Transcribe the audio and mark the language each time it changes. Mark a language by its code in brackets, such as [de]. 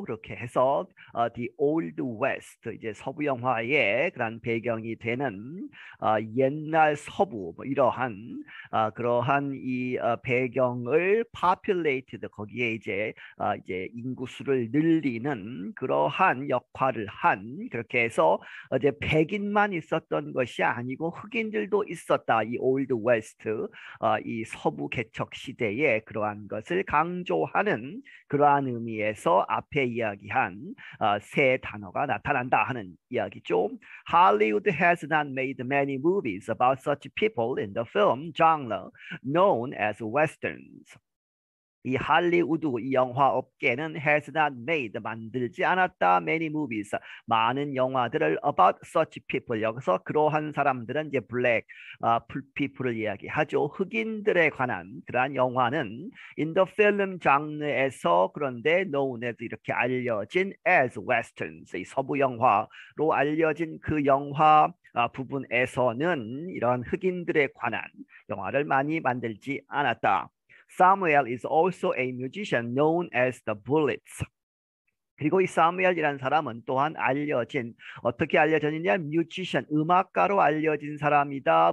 [ko] 그렇게 해서 The Old West, 이제 서부 영화의 그런 배경이 되는 옛날 서부, 뭐 이러한 그러한 이 배경을 populated, 거기에 이제 이제 인구수를 늘리는 그러한 역할을 한 그렇게 해서 이제 백인만 있었던 것이 아니고 흑인들도 있었다. 이 Old West, 이 서부 개척 시대에 그러한 것을 강조하는 그러한 의미에서 앞에 이야기한 세 단어가 나타난다 하는 이야기죠. [en] Hollywood has not made many movies about such people in the film genre known as westerns. [ko] 이 할리우드 이 영화 업계는 [en] has not made [ko] 만들지 않았다 [en] many movies [ko] 많은 영화들을 [en] about such people [ko] 여기서 그러한 사람들은 이제 [en] black people [ko] 을 이야기하죠. 흑인들에 관한 그러한 영화는 [en] in the film [ko] 장르에서 그런데 [en] known as [ko] 이렇게 알려진 [en] as westerns [ko] 이 서부 영화로 알려진 그 영화 부분에서는 이러한 흑인들에 관한 영화를 많이 만들지 않았다. [en] Samuel is also a musician known as the Bullets. [ko] 그리고 이 사무엘이라는 사람은 또한 알려진, 어떻게 알려졌느냐? 뮤지션, 음악가로 알려진 사람이다.